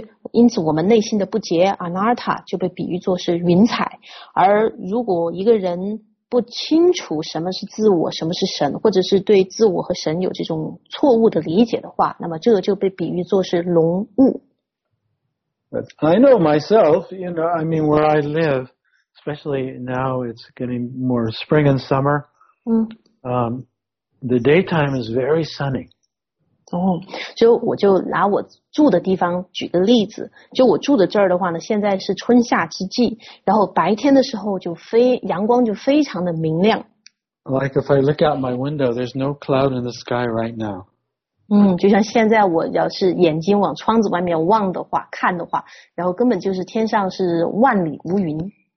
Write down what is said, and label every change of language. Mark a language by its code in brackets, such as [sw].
[zh] 因此我们内心的不洁 Anartha 就被比喻作是云彩，而如果一个人不清楚什么是自我，什么是神，或者是对自我和神有这种错误的理解的话，那么这个就被比喻作是浓雾。 [en] But I know myself, you know, I mean where I live, especially now it's getting more spring and summer, the daytime is very sunny. [zh] 所以我就拿我住的地方举个例子，就我住的这儿的话呢，现在是春夏之际，然后白天的时候就阳光就非常的明亮。 [en] Like if I look out my window, there's no cloud in the sky right now. [zh] 就像现在我要是眼睛往窗子外面望的话，看的话，然后根本就是天上是万里无云。